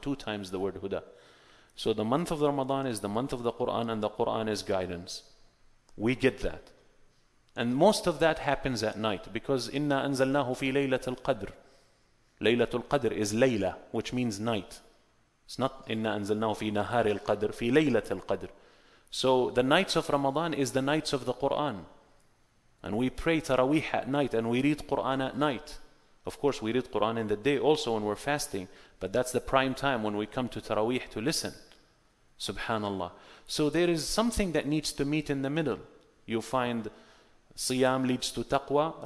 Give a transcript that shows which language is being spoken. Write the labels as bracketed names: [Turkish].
[English] Two times the word huda. So the month of Ramadan is the month of the Quran, and the Quran is guidance. We get that. And most of that happens at night, because [Arabic] إِنَّا أَنزَلْنَاهُ فِي لَيْلَةِ الْقَدْرِ. لَيْلَةُ الْقَدْرِ [English] is layla, which means night. It's not [Arabic] إِنَّا أَنزَلْنَاهُ فِي نَهَارِ الْقَدْرِ فِي لَيْلَةِ الْقَدْرِ. [English] So the nights of Ramadan is the nights of the Quran. And we pray Taraweeh at night, and we read Quran at night. Of course, we read Quran in the day also when we're fasting. But that's the prime time when we come to Taraweeh to listen. Subhanallah. So there is something that needs to meet in the middle. You find Siyam leads to taqwa.